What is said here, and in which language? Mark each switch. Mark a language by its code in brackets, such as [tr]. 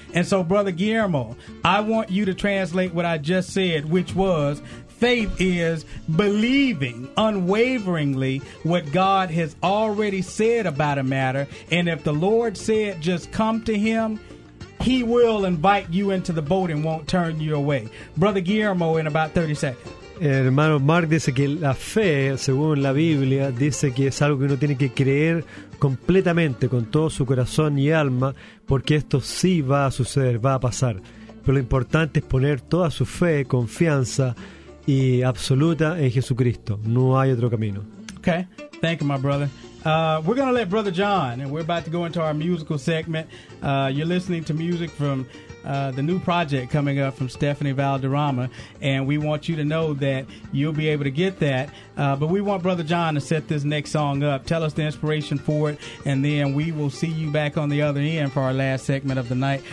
[en] And so, Brother Guillermo, I want you to translate what I just said, which was, faith is believing unwaveringly what God has already said about a matter. And if the Lord said, just come to him, he will invite you into the boat and won't turn you away. Brother Guillermo, in about 30 seconds. [es] Hermano Mark dice que la fe, según la Biblia, dice que es algo que uno tiene que creer completamente con todo su corazón y alma, porque esto sí va a suceder, va a pasar. Pero lo importante es poner toda su fe, confianza, y absoluta en Jesucristo. No hay otro camino. [en] Okay. Thank you, my brother. We're going to let Brother John, and we're about to go into our musical segment. You're listening to music from the new project coming up from Stephanie Valderrama, and we want you to know that you'll be able to get that. But we want Brother John to set this next song up. Tell us the inspiration for it, and then we will see you back on the other end for our last segment of the night.